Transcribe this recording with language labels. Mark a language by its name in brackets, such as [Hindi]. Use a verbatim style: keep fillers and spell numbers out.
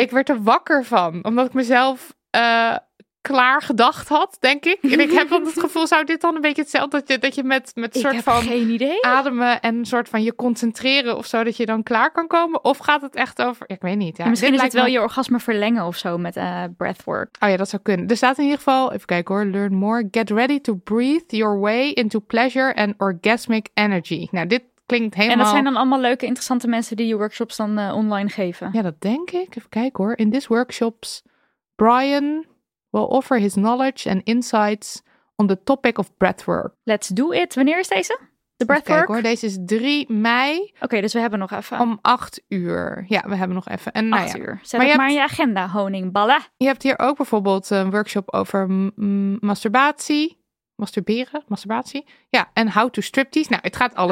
[Dutch] Ik werd er wakker van, omdat ik mezelf... Uh, klaar gedacht had, denk ik. En ik heb dan het gevoel, zou dit dan een beetje hetzelfde... dat je, dat je met, met een soort van ademen en een soort van je concentreren of zo... dat je dan klaar kan komen? Of gaat het echt over... Ja, ik weet niet. Ja. En misschien dit is het wel me... je orgasme verlengen of zo met uh, breathwork. Oh ja, dat zou kunnen. Er staat in ieder geval... Even kijken hoor, [English] learn more. Get ready to breathe your way into pleasure and orgasmic energy. [Dutch] Nou, dit klinkt helemaal... En dat zijn dan allemaal leuke, interessante mensen... die je workshops dan uh, online geven. Ja, dat denk ik. Even kijken hoor. [English] In this workshops, Brian... will offer his knowledge and insights on the topic of breathwork. Let's do it. [Dutch] Wanneer is deze? De breathwork? Kijk hoor, deze is drie mei. Oké, okay, dus we hebben nog even. Om acht uur. Ja, we hebben nog even. En, nou acht ja. uur. Zet maar het je maar hebt... in je agenda, honingballen. Je hebt hier ook bijvoorbeeld een workshop over m- masturbatie. Masturberen, masturbatie. Ja, en [English] how to striptease. [Dutch] Nou, het gaat alle